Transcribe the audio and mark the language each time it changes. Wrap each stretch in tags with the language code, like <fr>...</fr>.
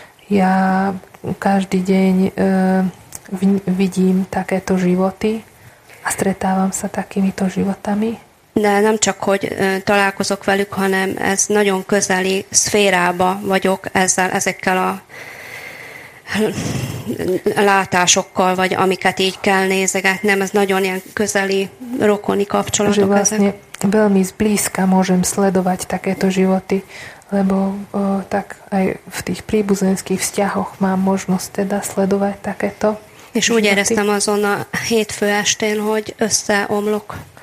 <sk>Ja každý deň vidím takéto životy a stretávam sa takýmito životami.</sk> <hu>De nem csak, hogy találkozok velük, hanem ez nagyon közeli szférába vagyok ezekkel a látásokkal, vagy amiket így kell nézegetni, nem, ez nagyon ilyen közeli rokoni kapcsolatok ezek.</hu> <sk>Vlastne veľmi zblízka môžem sledovať takéto životy, lebo tak aj v tých príbuzenských vzťahoch mám možnosť teda sledovať takéto.</sk> <hu>És úgy éreztem azon a hétfő estén, hogy összeomlok.</hu>